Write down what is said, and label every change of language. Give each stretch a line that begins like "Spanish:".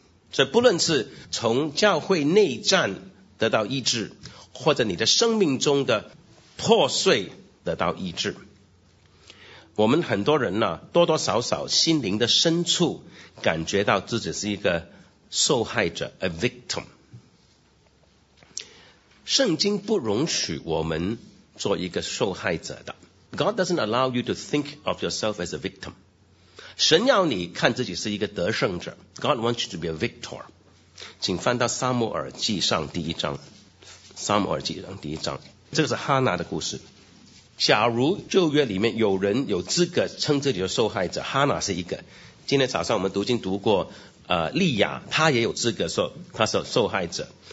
Chinese: 所以不论是从教会内战得到医治，或者你的生命中的破碎得到医治，我们很多人呢，多多少少心灵的深处感觉到自己是一个受害者
English: a victim。
Chinese: 圣经不容许我们做一个受害者的。
English: God doesn't allow you to think of yourself as a victim。
Chinese: 神要你看自己是一个得胜者，
English: God wants you to be a victor。
Chinese: 请翻到撒母耳记上第一章，撒母耳记上第一章，这个是哈拿的故事。假如旧约里面有人有资格称自己的受害者，哈拿是一个。今天早上我们读经读过利亚，他也有资格说他是受害者。